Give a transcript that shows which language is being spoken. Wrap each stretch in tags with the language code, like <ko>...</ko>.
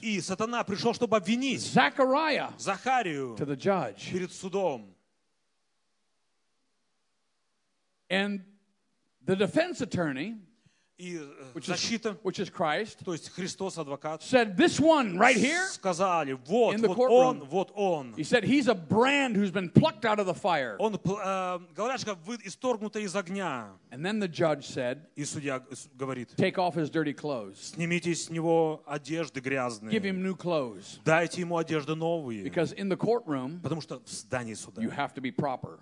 <ru>И сатана пришел, чтобы обвинить.</ru> <en>Zechariah.</en> <ru>Захарию.</ru> <en>To the judge.</en> <ru>Перед судом.</ru> <en>And the defense attorney, which is Christ,</en> <ru>то есть Христос адвокат,</ru> <en>said this one right here.</en> <ru>Сказали, вот,</ru> <en>in the courtroom,</en> <ru>он, вот он.</ru> <en>He said he's a brand who's been plucked out of the fire.</en> <ru>Он, говорячка, исторгнутая из огня.</ru> <en>And then the judge said,</en> <ru>и судья говорит,</ru> <en>take off his dirty clothes.</en> <ru>Снимите с него одежды грязные.</ru> <en>Give him new clothes.</en> <ru>Дайте ему одежды новые.</ru> <en>Because in the courtroom,</en> <ru>потому что в здании суда,</ru> <en>you have to be proper.</en>